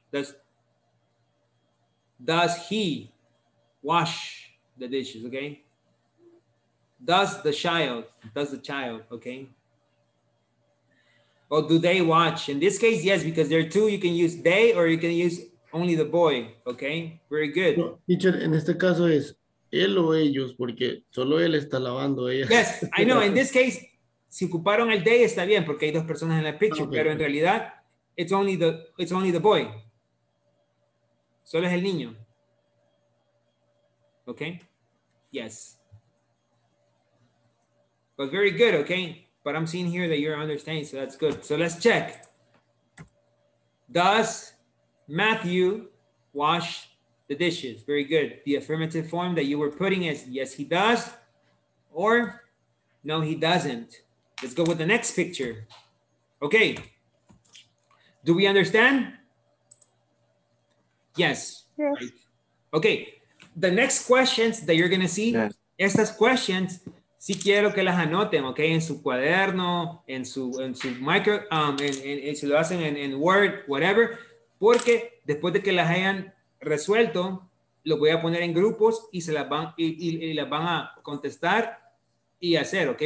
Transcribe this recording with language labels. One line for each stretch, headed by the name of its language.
English: Does he wash the dishes? Okay. Does the child? Okay. Or do they watch? In this case, yes, because there are two. You can use they, or you can use only the boy. Okay. Very good.
Spanish: Teacher, en este caso es él o ellos, porque solo él está lavando ella.
English: Yes, I know. In this case.
Spanish: Si ocuparon el day, está bien, porque hay dos personas en la picture, okay. Pero en realidad,
English: it's only the boy.
Spanish: Solo es el niño.
English: Okay? Yes. But very good, okay? But I'm seeing here that you're understanding, so that's good. So let's check. Does Matthew wash the dishes? Very good. The affirmative form that you were putting is yes, he does, or no, he doesn't. Let's go with the next picture. Okay. Do we understand? Yes. Yes. Okay. The next questions that you're going to see, yes.
Spanish: Estas questions, si quiero que las anoten, okay, en su cuaderno, en su micro, en si lo hacen en Word, whatever, porque después de que las hayan resuelto, los voy a poner en grupos y se las van y las van a contestar y hacer, ¿ok?